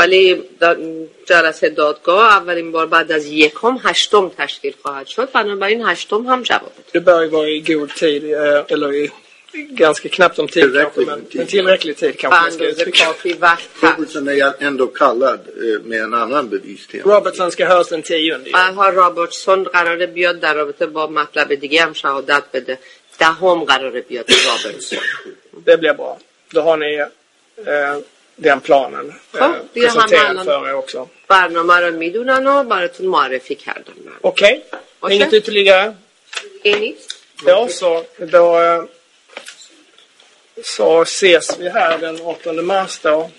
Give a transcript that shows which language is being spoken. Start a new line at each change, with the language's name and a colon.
Persian: ولی جلسه دادگاه اولین بار بعد از یکم 8 تشکیل خواهد شد. بنابراین 8 هم جواب بده.
Swedish: دی بای وای گود تید الی ganska knappt om tid kanske, men tillräckligt tid kanske. Robertson är ändå kallad med en annan bevis till. Robertson ska höras den 10:e.
Persian: Man har Robertson قراره بیاد در رابطه با مطلب دیگه هم شهادت بده. 10:e قراره بیاد Robertson.
Swedish: Det blir bra. Då har ni den planen. Det har han också. Barnarna har میدونن och براتون معرفی کردن. Okej. Inget ytterligare? Inget. Ja, så då så ses vi här den 8 mars då.